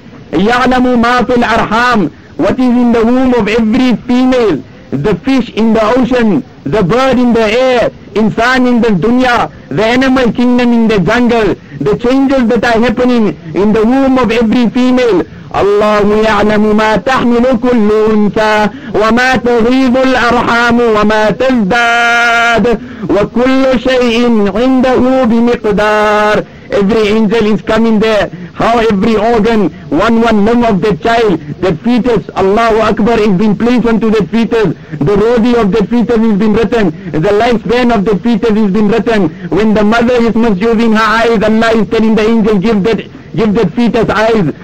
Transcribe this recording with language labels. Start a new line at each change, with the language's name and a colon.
Arabic: يَعْلَمُ مَا فِي الْأَرْحَامِ.
English: What is in the womb of every female, the fish in the ocean, the bird in the air, insan in the dunya, the animal kingdom in the jungle, the changes that are happening in the womb of every female.
Arabic: اللهم يعلم ما تحمل كل أنثى وما تغيض الأرحام وما تزداد وكل شيء عنده بمقدار.
English: Every angel is coming there. How every organ, one limb of the child, the fetus, Allahu Akbar, is being placed onto the fetus. The rosy of the fetus is being written. The lifespan of the fetus is being written. When the mother is misusing her eyes, Allah is telling the angel, give that fetus eyes.